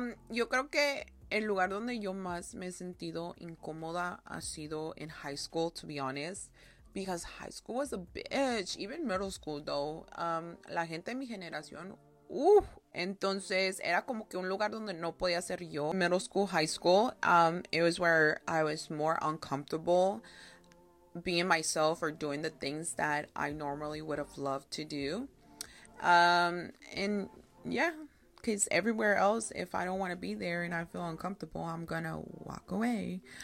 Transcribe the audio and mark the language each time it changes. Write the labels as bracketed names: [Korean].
[Spanish] Yo creo que el lugar donde yo más me he sentido incómoda ha sido [English] in high school, to be honest. Because high school was a bitch, even middle school though. [Spanish] La gente de mi generación, entonces era como que un lugar donde no podía ser yo. [English] Middle school, high school, it was where I was more uncomfortable being myself or doing the things that I normally would have loved to do. And yeah, because everywhere else, if I don't want to be there and I feel uncomfortable, I'm gonna walk away.